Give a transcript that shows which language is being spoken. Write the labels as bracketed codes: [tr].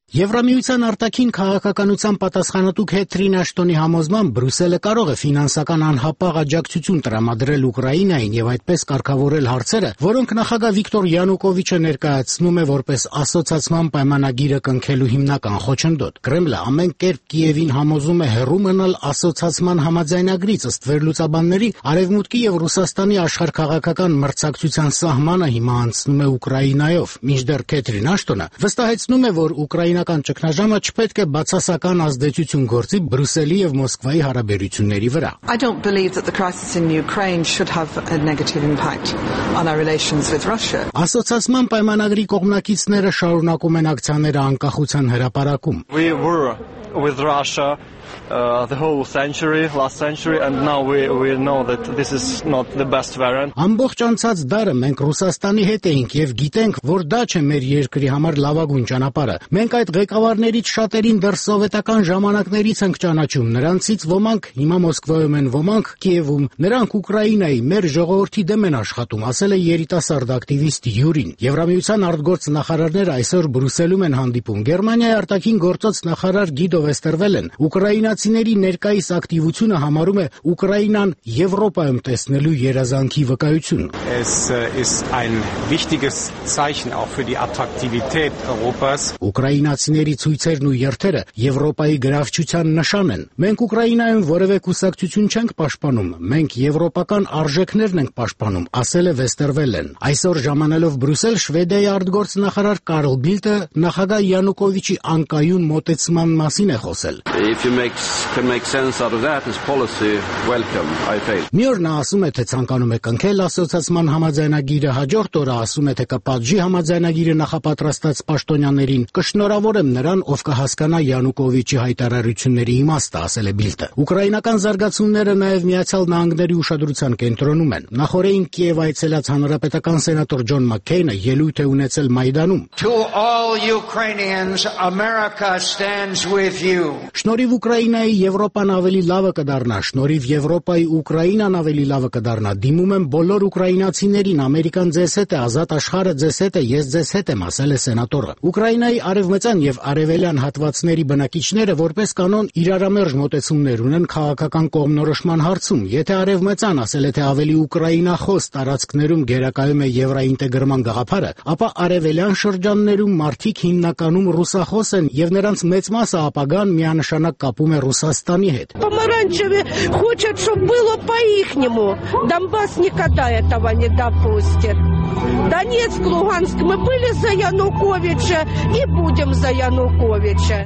[hy] Եվրամիության արտաքին քաղաքականության պատասխանատու Քեթրին Աշտոնի համոզմամբ Բրյուսելը կարող է ֆինանսական անհապաղ աջակցություն տրամադրել Ուկրաինային եւ այդպես կարգավորել հարցերը, որոնք նախագահ Վիկտոր Յանուկովիչը ներկայացնում է որպես ասոցացիոն պայմանագիրը կնքելու հիմնական խոչընդոտ։ Կրեմլը ամեն կերպ Կիևին համոզում է հեռու մնալ ասոցացիոն համաձայնագրից, ըստ վերլուծաբանների, արևմուտքի եւ Ռուսաստանի աշխարհքաղաքական մրցակցության սահմանը հիմա անցնում է Ուկրաինայով, մինչդեռ Քեթրին Աշտոնը վստահեցնում է, որ Ուկրաինական ճգնաժամը չպետք է բացասական ազդեցություն գործի Բրյուսելի եւ Մոսկվայի հարաբերությունների վրա։ [en] I don't believe that the crisis in Ukraine should have a negative impact on our relations with Russia. [hy] Ասոցացման պայմանագրի կողմնակիցները շարունակում են ակցիաները անկախության հրապարակում։ [en] We were with Russia the whole century last century and now we know that this is not the best variant. [hy] Ամբողջ անցած դարը մենք Ռուսաստանի հետ էինք եւ գիտենք, որ դա չէ մեր երկրի համար լավագույն ճանապարհը։ Մենք այդ ղեկավարներից շատերին դեռ սովետական ժամանակներից ենք ճանաչում, նրանցից ոմանք հիմա Մոսկվայում են, ոմանք Կիևում, նրանք Ուկրաինայի մեր ժողովրդի դեմ են աշխատում, ասել է երիտասարդ ակտիվիստ Յուրին։ Եվրամիության արտգործ նախարարները այսօր Բրյուսելում են հանդիպում Գերմանիայի արտաքին գործոց նախարար Գիդո Վեստերվելեն։ Ուկրաինացիների ներկայիս ակտիվությունը համարում է Ուկրաինան Եվրոպայում տեսնելու երազանքի վկայություն։ [de] Es ist ein wichtiges Zeichen auch für die Attraktivität Europas. [hy] Ուկրաինացիների ցույցերն ու երթերը Եվրոպայի գրավչության նշան են։ Մենք Ուկրաինայում որևէ կուսակցություն չենք պաշտպանում, մենք եվրոպական արժեքներն ենք պաշտպանում, ասել է Վեստերվելեն։ Այսօր ժամանելով Բրյուսել Շվեդիայի արտգործ նախարար Կարլ Բիլտը նախագահ Յանուկովիչի անկայուն մոտեցման մասին է խոսել։ [en] If you can make sense out of that as policy, welcome, I feel. [hy] Մի օր նա ասում է, թե ցանկանում է կնքել ասոցացման համաձայնագիրը, հաջորդ օրը ասում է, թե կպատժի համաձայնագիրը նախապատրաստած պաշտոնյաներին։ Կշնորհավորեմ նրան, ով կհասկանա Յանուկովիչի հայտարարությունների իմաստը, ասել է Բիլտը։ Ուկրաինական զարգացումները նաև Միացյալ Նահանգների ուշադրության կենտրոնում են։ Նախորդին Կիև այցելած հանրապետական սենատոր Ջոն Մաքեյնը ելույթ է ունեցել Մայդանում։ [en] To all Ukrainians, America stands with you. [hy] Շնորհիվ Ուկրաինայի Եվրոպան ավելի լավը կդառնա, շնորհիվ Եվրոպայի Ուկրաինան ավելի լավը կդառնա։ Դիմում եմ բոլոր ուկրաինացիներին, Ամերիկան ձեզ հետ է, ազատ աշխարհը ձեզ հետ է, ես ձեզ հետ եմ, ասել է սենատորը։ Ուկրաինայի արևմտյան եւ արևելյան հատվածների բնակիչները որպես կանոն իրարամերժ մոտեցումներ ունեն քաղաքական կողմնորոշման հարցում։ Եթե արևմտյան, ասել է, թե ավելի ուկրաինախոս տարածքներում գերակայում է եվրոինտեգրման գաղափարը, ապա արևելյան շրջաններում մարդիկ հիմնականում ռուսախոս են եւ նրանց մեծ մասը ապագան միանշանակ կապում է Ռուսաստանի հետ։ [ru] Помаранчеве хочет, чтобы было по-ихнему. Донбасс никогда этого не допустит. Донецк, Луганск, мы были за Януковича и будем за Януковича.